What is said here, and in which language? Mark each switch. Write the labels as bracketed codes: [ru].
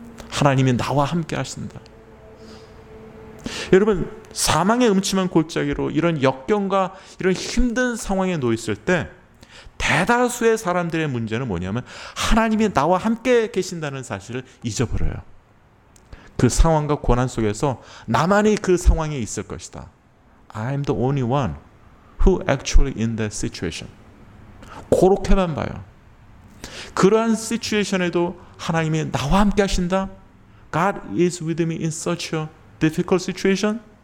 [ko] 하나님이 나와 함께 하신다. 여러분, 사망의 음침한 골짜기로 이런 역경과 이런 힘든 상황에 놓였을 때 대다수의 사람들의 문제는 뭐냐면 하나님이 나와 함께 계신다는 사실을 잊어버려요. 그 상황과 고난 속에서 나만이 그 상황에 있을 것이다. [en] I'm the only one who actually in that situation. [ko] 그렇게만 봐요. 그러한 시츄에이션에도 하나님이 나와 함께 하신다? [en] God is with me in such a difficult situation?